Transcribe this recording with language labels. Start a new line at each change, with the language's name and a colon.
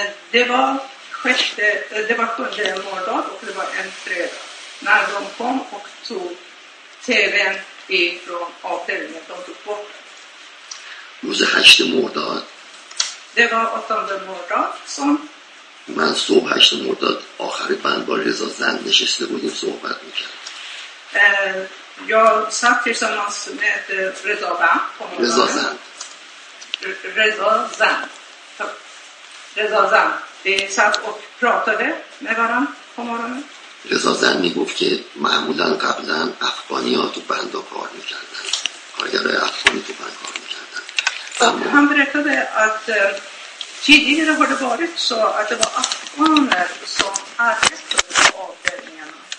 Swedish: Det var sjunde mordag och det var en fredag när de kom och tog tvn ifrån avdelningen. De tog bort den.
Persian: Rose hashte mordag.
Swedish: Det var åttonde mordag som man såg här som
Persian: mordag آخر بند با رضا زند نشسته بودیم صحبت میکرد.
Swedish: Jag satt tillsammans med Reza Band på morgonen. Reza Zand. Reza Zand. Vi satt och pratade med varandra på morgonen.
Persian: Reza Zand میگفت که معمولا قبلا افغانی ها تو بند ها کار میکردن. کارگرای افغانی تو بند کار میکردن.
Swedish: Han berättade att tidigare har det varit så att det var afghaner som arbetade på avdelningarna.